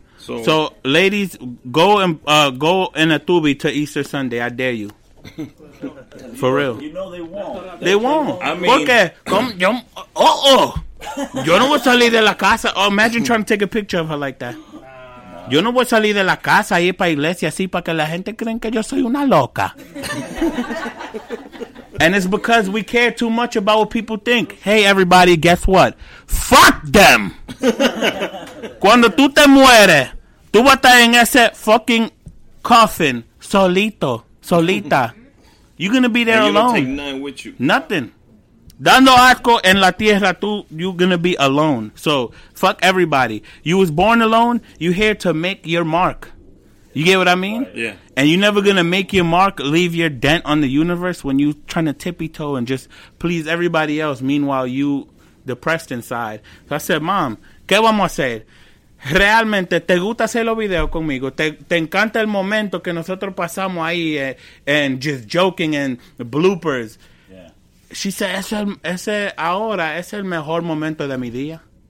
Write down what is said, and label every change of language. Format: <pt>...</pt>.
<en>So ladies, go and go in a tubi to Easter Sunday. I dare you. For real. You know they won't. I mean,</en> <es>porque, yo no voy a salir de la casa.</es> <en>Oh, imagine trying to take a picture of her like that.</en> <es>Yo no voy a salir de la casa y ir para iglesia así para que la gente creen que yo soy una loca.</es> <en>And it's because we care too much about what people think. Hey, everybody, guess what? Fuck them.</en> <es>Cuando tú te mueres, tú vas a estar en ese</es> <en>fucking coffin</en> <es>solito, solita.</es> <en>You're going to be there alone. You're going to take nothing with you. Nothing.</en> <es>Dando asco en la tierra, tú,</es> <en>you're going to be alone. So, fuck everybody. You was born alone. You here to make your mark. You get what I mean? Right. Yeah. And you're never going to make your mark, leave your dent on the universe when you trying to tippy-toe and just please everybody else. Meanwhile, you depressed inside. So, I said, Mom,</en> <es>¿qué vamos a hacer? Realmente te gusta hacer los videos conmigo. Te encanta el momento que nosotros pasamos ahí</es> <en>and just joking and the bloopers. Yeah. She said,</en> <es>ese ahora es el mejor momento de mi día.</es>